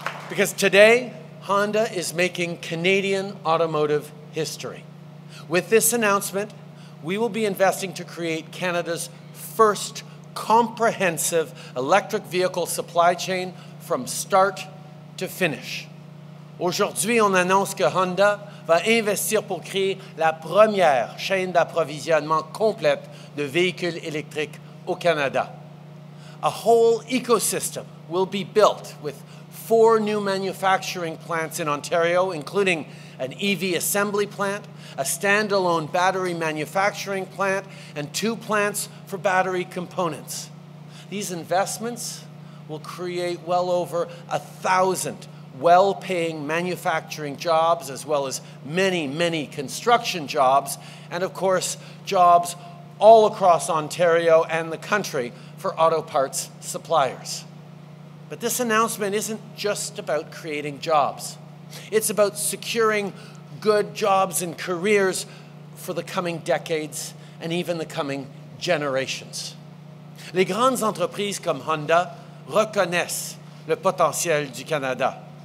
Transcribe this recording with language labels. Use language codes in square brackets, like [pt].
[en] Because today, Honda is making Canadian automotive history. With this announcement, we will be investing to create Canada's first comprehensive electric vehicle supply chain from start to finish. [fr] Aujourd'hui, on annonce que Honda va investir pour créer la première chaîne d'approvisionnement complète de véhicules électriques au Canada. [en] A whole ecosystem will be built with 4 new manufacturing plants in Ontario, including an EV assembly plant, a standalone battery manufacturing plant, and 2 plants for battery components. These investments will create well over 1,000 well-paying manufacturing jobs, as well as many, many construction jobs, and of course, jobs all across Ontario and the country for auto parts suppliers. But this announcement isn't just about creating jobs. It's about securing good jobs and careers for the coming decades and even the coming generations. [fr] Les grandes entreprises comme Honda reconnaissent le potentiel du Canada.